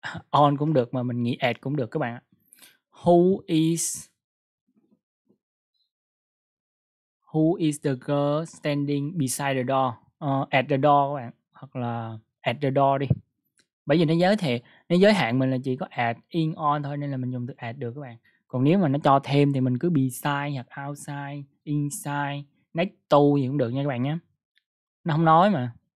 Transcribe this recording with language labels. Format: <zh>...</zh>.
<vi>On cũng được mà mình nghĩ at cũng được các bạn ạ.</vi> <en>Who is the girl standing beside the door? at the door</en> <vi>các bạn, hoặc là at the door đi. Bởi vì nó giới hạn mình là chỉ có at in on thôi, nên là mình dùng từ at được các bạn. Còn nếu mà nó cho thêm thì mình cứ beside hoặc outside, inside, next to gì cũng được nha các bạn nhé. Nó không nói mà.</vi>